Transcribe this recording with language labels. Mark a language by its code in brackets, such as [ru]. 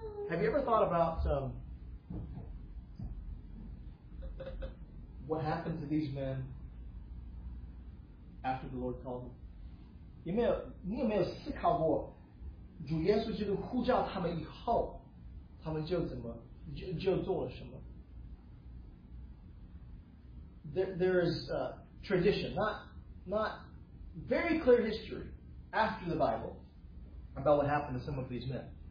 [en] Have you ever thought about what happened to these men after the Lord called them? [zh] 你有没有思考过 主耶稣基督呼召他们以后, 他们就怎么做了什么? [en] There is a tradition, not very clear history after the Bible about what happened to some of these men.